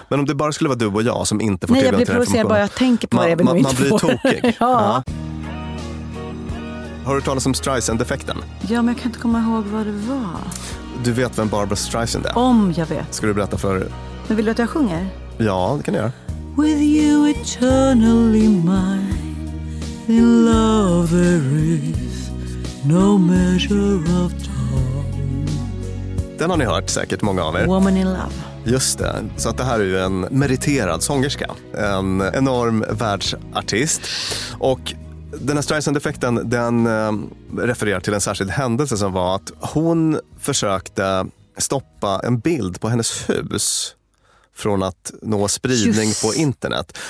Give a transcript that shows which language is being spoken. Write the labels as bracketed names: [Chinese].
[Swedish] Men om det bara skulle vara du och jag som inte får tillgång till det. Nej, jag blir provocerad bara jag tänker på det. Man blir tokig. Ja. Ah. Har du talat om Streisand-effekten? Ja, men jag kan inte komma ihåg vad det var. Du vet vem Barbra Streisand är? Om jag vet. Ska du berätta för... Men vill du att jag sjunger? Ja, det kan jag göra. [English] With you eternally mine, in love there is no measure of time. [Swedish] Den har ni hört säkert, många av er. Woman in love. Just det, så att det här är ju en meriterad sångerska. En enorm världsartist. Och den här Streisand-effekten, den refererar till en särskild händelse som var att hon försökte stoppa en bild på hennes hus från att nå spridning på internet.